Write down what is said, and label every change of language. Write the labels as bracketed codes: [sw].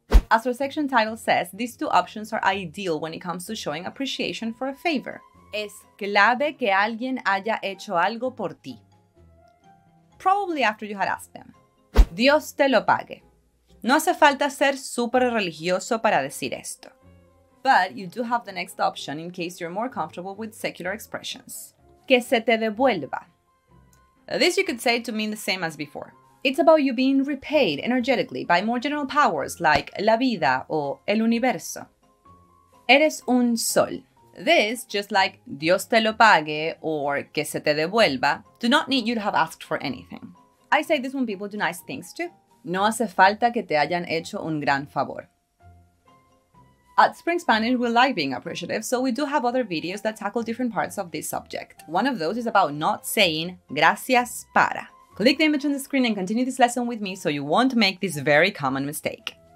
[en] As our section title says, these two options are ideal when it comes to showing appreciation for a favor. [es] Es clave que alguien haya hecho algo por ti. [en] Probably after you had asked them. [es] Dios te lo pague. No hace falta ser súper religioso para decir esto. [en] But you do have the next option in case you're more comfortable with secular expressions. [es] Que se te devuelva. [en] This you could say to mean the same as before. It's about you being repaid energetically by more general powers like [es] la vida o el universo. Eres un sol. [en] This, just like [es] Dios te lo pague [en] or [es] que se te devuelva, [en] do not need you to have asked for anything. I say this when people do nice things too. [es] No hace falta que te hayan hecho un gran favor. [en] At Spring Spanish, we like being appreciative, so we do have other videos that tackle different parts of this subject. One of those is about not saying [es] gracias para. [en] Click the image on the screen and continue this lesson with me so you won't make this very common mistake.